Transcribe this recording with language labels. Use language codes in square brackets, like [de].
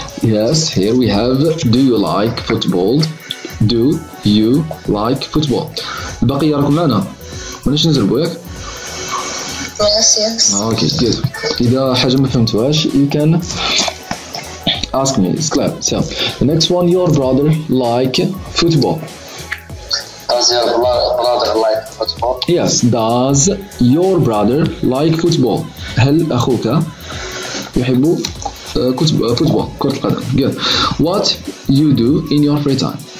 [en] Yes, here we have do you like football? Do you like football? [ar] الباقي راكم معنا مانيش نزربو ياك؟ [en] Yes. Okay, good. [ar] إذا حاجة ما فهمتوهاش, [en] you can ask me. It's clear. So, the next one, your brother like football. Does your brother like football? Yes, does your brother like football? [ar] هل أخوك يحب football, كرة القدم. [en] Good. What you do in your free time?